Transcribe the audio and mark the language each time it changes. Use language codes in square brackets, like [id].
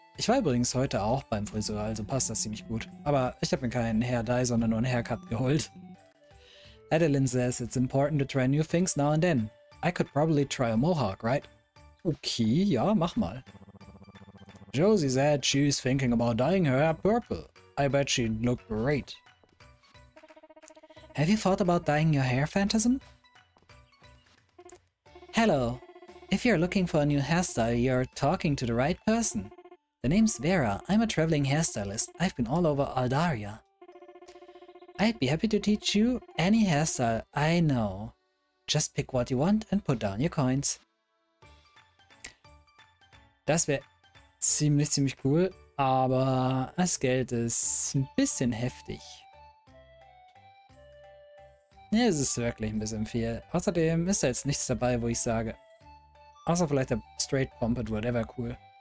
[de] Ich war übrigens heute auch beim Friseur, also passt das ziemlich gut. Aber ich habe mir keinen Hair Dye, sondern nur einen Haircut geholt. [en] Adeline says it's important to try new things now and then. I could probably try a mohawk, right? [de] Okay, ja, mach mal. [en] Josie said she's thinking about dyeing her hair purple. I bet she'd look great. Have you thought about dyeing your hair, Phantasm? Hello. If you're looking for a new hairstyle, you're talking to the right person. The name's Vera. I'm a traveling hairstylist. I've been all over Aldaria. I'd be happy to teach you any hairstyle I know. Just pick what you want and put down your coins. [de] Das wäre ziemlich cool, aber das Geld ist ein bisschen heftig. Ja, es ist wirklich ein bisschen viel. Außerdem ist da jetzt nichts dabei, wo ich sage, außer vielleicht der Straight Pompadour, der wäre cool.